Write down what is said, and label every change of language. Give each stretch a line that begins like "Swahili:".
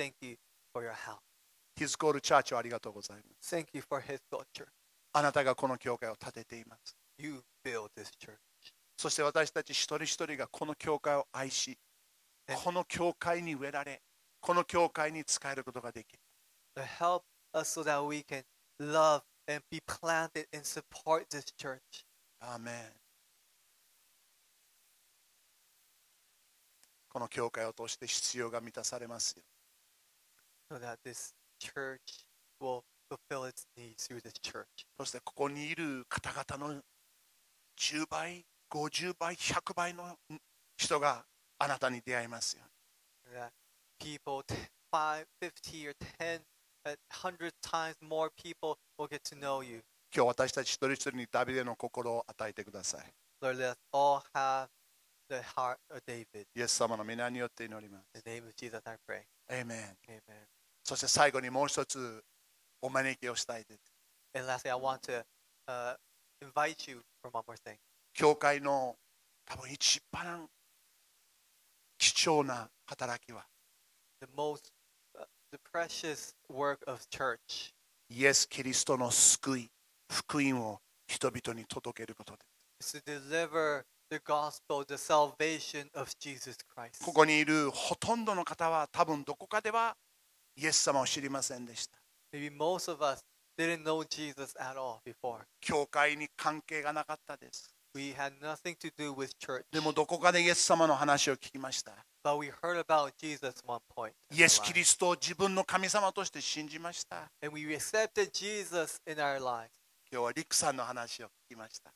English: Thank you for your help.
Japanese: His Call Church をありがとうございます。
English: Thank you for His Call Church.
Japanese: あなたがこの教会を建てています。
English: You build this church.
Japanese: そして私たち一人一人がこの教会を愛し、この教会に植えられ、この教会に仕えることができる。
English: Help us so that we can love and be planted and support this church. Amen.
Japanese: この教会を通して必要が満たされますよ。
English: So that this church will fulfill its needs through this church.
Japanese: そしてここにいる方々の10倍、50倍、100倍の人があなたに出会いますよ。
English: So that people 50 or 10, 100 times more people will get to know you.
Japanese: 今日私たち一人一人にダビデの心を与えてください。
English: Lord, let us all have. The heart of David.
Japanese: イエス様の皆によって祈ります。
English: In the name of Jesus, I pray. Amen. Amen.
Japanese: そして最後にもう一つお招きをしたいです。
English: And lastly, I want to, invite you for one more thing.
Japanese: 教会の多分一番貴重な働きは
English: the most, the precious work of church.
Japanese: イエス・キリストの救い福音を人々に届けることで
English: to deliver the gospel, the salvation of Jesus Christ.
Japanese: ここにいるほとんどの方は多分どこかではイエス様を知りませんでした
English: Maybe most of us didn't know Jesus at all before.
Japanese: 教会に関係がなかったです
English: We had nothing to do with church.
Japanese: でもどこかでイエス様の話を聞きました
English: But we heard about Jesus one point.
Japanese: イエス・キリストを自分の神様として信じました
English: And we accepted Jesus in our lives.
Japanese: 今日はリクさんの話を聞きました